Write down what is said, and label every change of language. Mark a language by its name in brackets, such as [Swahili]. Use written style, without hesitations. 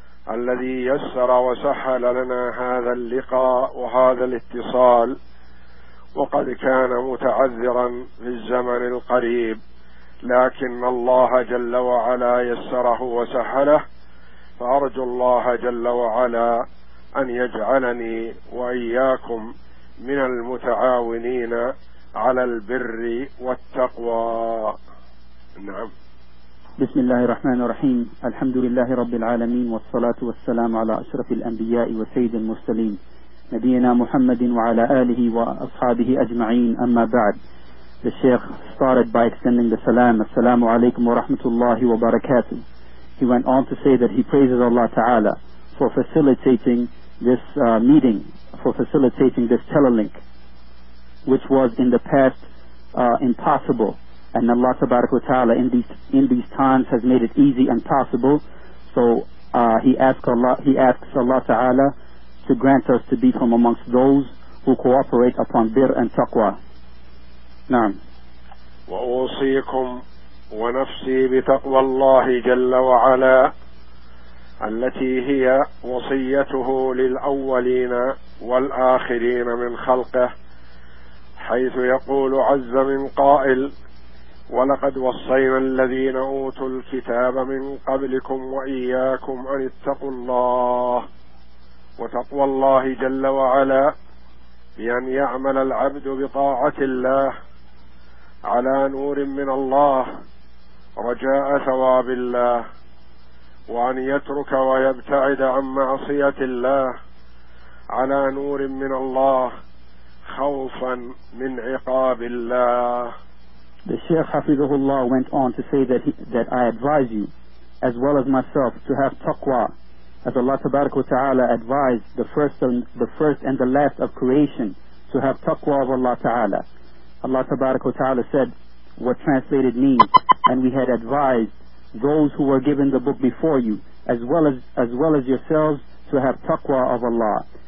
[Arabic] الذي يسر وسهل لنا هذا اللقاء وهذا الاتصال، وقد كان متعذرا في الزمن القريب، لكن الله جل وعلا يسره وسهله، فأرجو الله جل وعلا أن يجعلني وإياكم من المتعاونين على البر والتقوى. نعم. بسم الله الرحمن الرحيم. الحمد لله رب العالمين، والصلاة والسلام على أشرف الأنبياء وسيد المرسلين نبينا محمد وعلى آله وأصحابه أجمعين. أما بعد، [English] the Sheikh started by extending the salam. [Arabic] Assalamu alaikum wa rahmatullahi wa barakatuh. [English] He went on to say that he praises Allah Ta'ala for facilitating this meeting, for facilitating this telelink, which was in the past impossible. And Allah Tabaraka wa Ta'ala in these times has made it easy and possible. So he asks Allah Ta'ala to grant us to be from amongst those who cooperate upon bir and taqwa. [Arabic] Naam. Wa usikum wa nafsi bi taqwa Allah jalla wa ala allati hiya wasiyatuhu lil awwalina wal akhirina min khalqihi, حيث يقول عز من قائل: ولقد وصينا الذين أوتوا الكتاب من قبلكم وإياكم أن اتقوا الله. وتقوى الله جل وعلا بأن يعمل العبد بطاعة الله على نور من الله رجاء ثواب الله، وأن يترك ويبتعد عن معصية الله على نور من الله خوفاً من عقاب الله. [English] The Shaykh Hafizahullah went on to say that I advise you, as well as myself, to have taqwa, as Allah Tabaraka wa Ta'ala advised the first and the last of creation to have taqwa of Allah Ta'ala. Allah Tabaraka wa Ta'ala said what translated means, and we had advised those who were given the book before you, as well as yourselves, to have taqwa of Allah.